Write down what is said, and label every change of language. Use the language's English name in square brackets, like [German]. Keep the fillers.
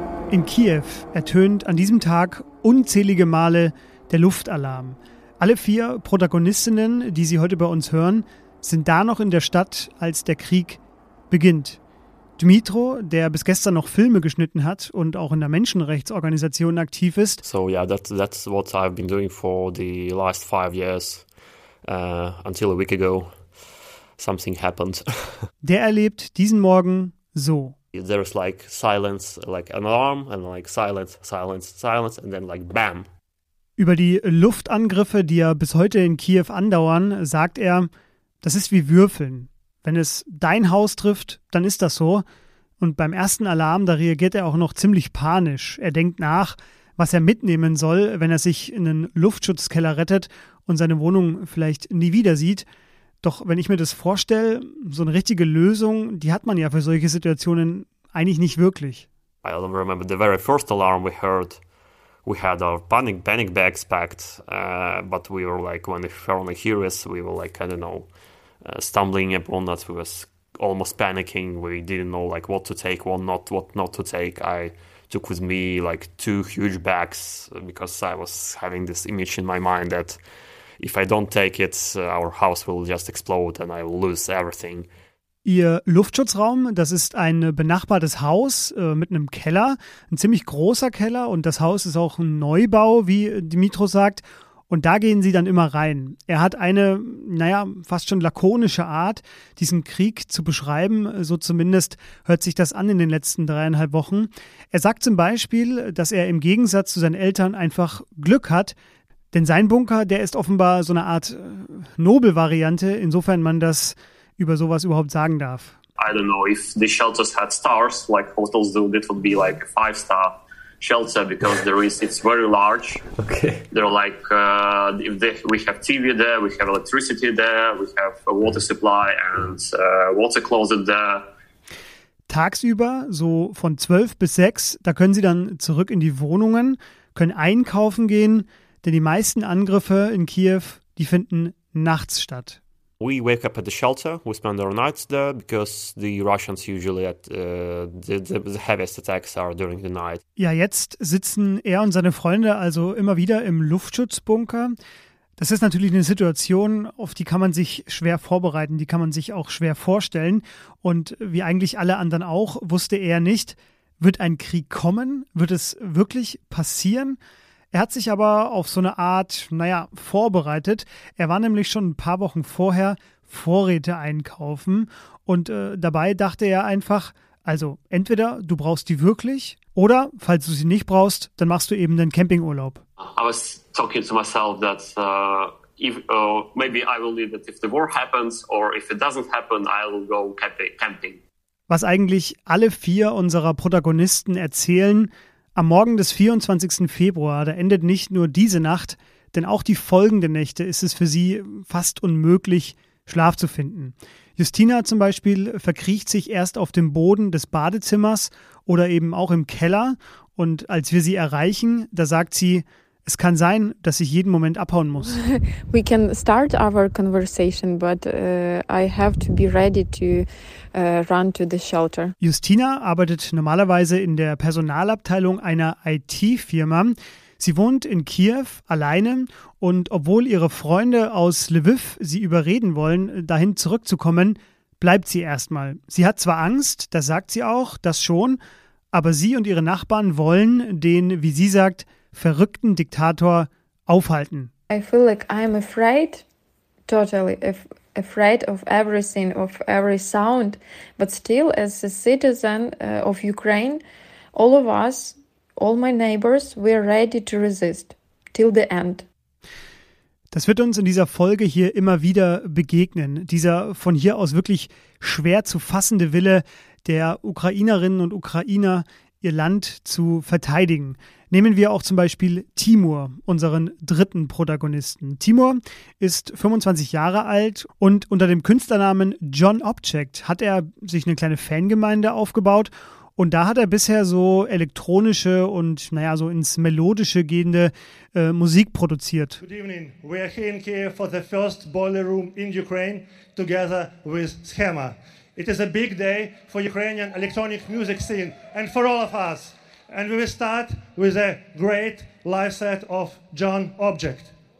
[German] In Kiew ertönt an diesem Tag unzählige Male der Luftalarm. Alle vier Protagonistinnen, die Sie heute bei uns hören, sind da noch in der Stadt, als der Krieg beginnt. Dmitro, der bis gestern noch Filme geschnitten hat und auch in der Menschenrechtsorganisation aktiv ist, [English] So yeah, that, that's what I've been doing for the last five years. Uh, until a week ago, something happened. [German] der erlebt diesen Morgen so. [English] there's like silence, like an alarm, and like silence, silence, silence, and then like bam. [German] Über die Luftangriffe, die ja bis heute in Kiew andauern, sagt er, das ist wie Würfeln. Wenn es dein Haus trifft, dann ist das so. Und beim ersten Alarm, da reagiert er auch noch ziemlich panisch. Er denkt nach, was er mitnehmen soll, wenn er sich in einen Luftschutzkeller rettet und seine Wohnung vielleicht nie wieder sieht. Doch wenn ich mir das vorstelle, so eine richtige Lösung, die hat man ja für solche Situationen eigentlich nicht wirklich. [English] I don't remember the very first alarm we heard. We had our panic panic bags packed, uh, but we were like when the foreigner hear us, we were like I don't know, uh, stumbling upon that. We was almost panicking. We didn't know like what to take, what not, what not to take. I took with me like two huge bags uh, because I was having this image in my mind that if I don't take it, uh, our house will just explode and I will lose everything. [German] Ihr Luftschutzraum, das ist ein benachbartes Haus äh, mit einem Keller, ein ziemlich großer Keller und das Haus ist auch ein Neubau, wie Dimitro sagt. Und da gehen sie dann immer rein. Er hat eine, naja, fast schon lakonische Art, diesen Krieg zu beschreiben. So zumindest hört sich das an in den letzten dreieinhalb Wochen. Er sagt zum Beispiel, dass er im Gegensatz zu seinen Eltern einfach Glück hat, denn sein Bunker, der ist offenbar so eine Art äh, Nobel-Variante, insofern man das über sowas überhaupt sagen darf. [English] I don't know if the shelters had stars like hotels do. That would be like five star shelter because there is it's very large. Okay. They're like uh, if they, we have TV there, we have electricity there, we have a water supply and uh, water closet there. [German] Tagsüber, so von 12 bis 6, da können sie dann zurück in die Wohnungen, können einkaufen gehen, denn die meisten Angriffe in Kiew, die finden nachts statt. [English] We wake up at the shelter. We spend our nights there because the Russians usually at uh, the, the- the heaviest attacks are during the night. [German] Ja, jetzt sitzen er und seine Freunde also immer wieder im Luftschutzbunker. Das ist natürlich eine Situation, auf die kann man sich schwer vorbereiten, die kann man sich auch schwer vorstellen. Und wie eigentlich alle anderen auch, wusste er nicht, wird ein Krieg kommen? Wird es wirklich passieren? Er hat sich aber auf so eine Art, naja, vorbereitet. Er war nämlich schon ein paar Wochen vorher Vorräte einkaufen und äh, dabei dachte er einfach, also entweder du brauchst die wirklich oder falls du sie nicht brauchst, dann machst du eben den Campingurlaub. [English] I was talking to myself that uh, if uh, maybe I will need it if the war happens or if it doesn't happen, I will go campi- camping. [German] Was eigentlich alle vier unserer Protagonisten erzählen, am Morgen des 24. Februar, da endet nicht nur diese Nacht, denn auch die folgende Nächte ist es für sie fast unmöglich, Schlaf zu finden. Justina zum Beispiel verkriecht sich erst auf dem Boden des Badezimmers oder eben auch im Keller und als wir sie erreichen, da sagt sie, es kann sein, dass ich jeden Moment abhauen muss. [English] we can start our conversation, but uh, I have to be ready to uh, run to the shelter. [German] Justina arbeitet normalerweise in der Personalabteilung einer IT-Firma. Sie wohnt in Kiew alleine und obwohl ihre Freunde aus Lviv sie überreden wollen, dahin zurückzukommen, bleibt sie erstmal. Sie hat zwar Angst, das sagt sie auch, das schon, aber sie und ihre Nachbarn wollen den, wie sie sagt, verrückten Diktator aufhalten. [English] I feel like I'm afraid, totally af- afraid of everything, of every sound. But still, as a citizen uh, of Ukraine, all of us, all my neighbors, we're ready to resist till the end. [German] Das wird uns in dieser Folge hier immer wieder begegnen. Dieser von hier aus wirklich schwer zu fassende Wille der Ukrainerinnen und Ukrainer, ihr Land zu verteidigen. Nehmen wir auch zum Beispiel Timur, unseren dritten Protagonisten. Timur ist 25 Jahre alt und unter dem Künstlernamen John Object hat er sich eine kleine Fangemeinde aufgebaut und da hat er bisher so elektronische und naja, so ins Melodische gehende äh, Musik produziert. [English] Good evening. We are here in Kiev for the first boiler room in Ukraine together with Schema. It is a big day for Ukrainian electronic music scene and for all of us. And we will start with a great live set of John Object.